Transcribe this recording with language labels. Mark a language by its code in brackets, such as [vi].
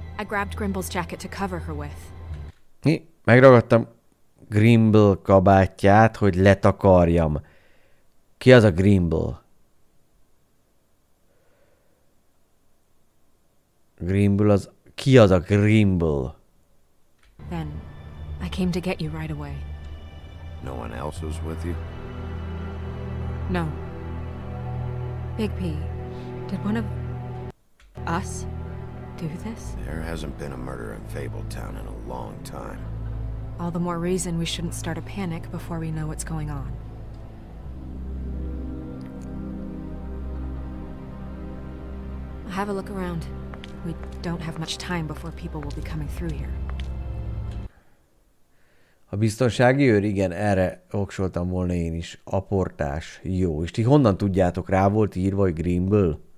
[en] I grabbed Grimble's jacket to cover her with. [hu] Mi? Megragadtam Grimble kabátját, hogy letakarjam. Ki az a Grimble? Grimble az... Ki az a Grimble? [en] Then, I came to get you right away. No one else was with you? No. Big P, did one of us do this? There hasn't been a murder in Fabletown in a long time. All the more reason we shouldn't start a panic before we know what's going on. Have a look around. We don't have much time before people will be coming through here. [hu] A biztonsági őr? Igen, erre oksoltam volna én is. Aportás. Jó. És ti honnan tudjátok? Rá volt írva, hogy Grimble?